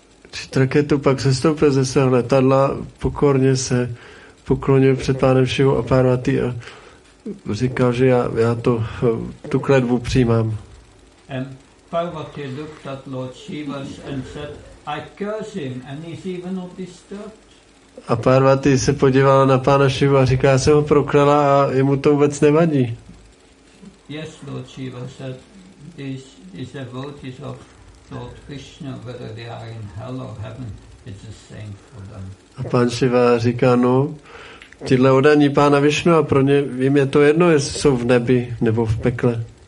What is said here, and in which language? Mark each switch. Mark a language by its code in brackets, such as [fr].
[cs] Chitraketu pak sestoupil ze svého letadla, pokorně se poklonil před pánem Shivou a Parvati a říkal, že já to tu kletbu přijímám. [en] Parvati looked at Lord Shiva and said, I curse him and he's even not disturbed. [cs] A Parvati se podívala na pána Shivu a říká, já jsem ho proklela a jemu to vůbec nevadí. [en] Yes, Lord Shiva said, this devotee is of Lord Krishna, whether they are in hell or heaven, it's the same for them. [cs] A pan Shiva říká, no, Tyhle oddaní Pána Višnu a pro ně, jim je to jedno, jestli jsou v nebi nebo v pekle.